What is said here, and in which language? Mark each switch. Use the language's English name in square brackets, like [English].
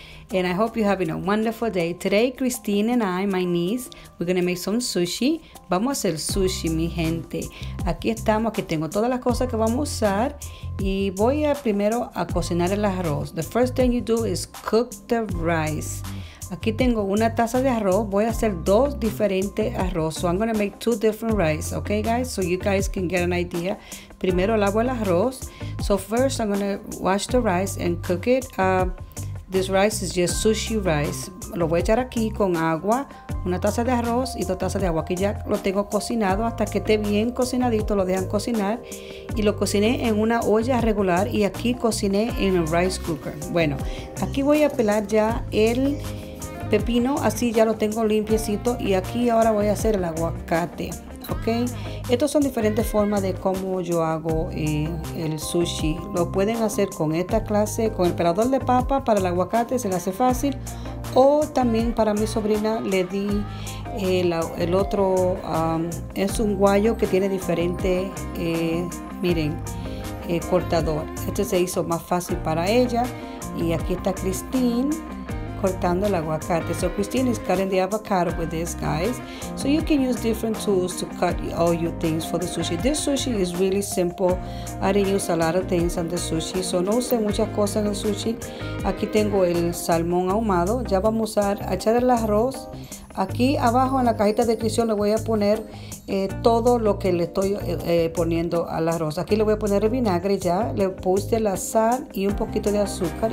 [English] And I hope you're having a wonderful day. Today, Christine and I, my niece, we're going to make some sushi. [Spanish] Vamos a hacer sushi, mi gente. Aquí estamos, aquí tengo todas las cosas que vamos a usar. Y voy a primero a cocinar el arroz. [English] The first thing you do is cook the rice. [Spanish] Aquí tengo una taza de arroz. Voy a hacer dos diferentes arroz. [English] So I'm going to make two different rice, okay, guys? So you guys can get an idea. [Spanish] Primero lavo el arroz. [English] So first I'm going to wash the rice and cook it. This rice is just sushi rice. [Spanish] Lo voy a echar aquí con agua, una taza de arroz y dos tazas de agua. Aquí ya lo tengo cocinado hasta que esté bien cocinadito. Lo dejan cocinar y lo cociné en una olla regular y aquí cociné en un rice cooker. Bueno, aquí voy a pelar ya el pepino, así ya lo tengo limpiecito, y aquí ahora voy a hacer el aguacate. Ok, estas son diferentes formas de cómo yo hago el sushi. Lo pueden hacer con esta clase, con el pelador de papa para el aguacate, se le hace fácil. O también para mi sobrina le di el otro, es un guayo que tiene diferente, miren, cortador. Este se hizo más fácil para ella. Y aquí está Christine cortando el aguacate. [English] So Christine is cutting the avocado with this, guys. So you can use different tools to cut all your things for the sushi. This sushi is really simple. I didn't use a lot of things on the sushi. [Spanish] So no usé muchas cosas en el sushi. Aquí tengo el salmón ahumado. Ya vamos a usar, a echar el arroz. Aquí abajo en la cajita de descripción le voy a poner todo lo que le estoy poniendo al arroz. Aquí le voy a poner el vinagre ya. Le puse la sal y un poquito de azúcar.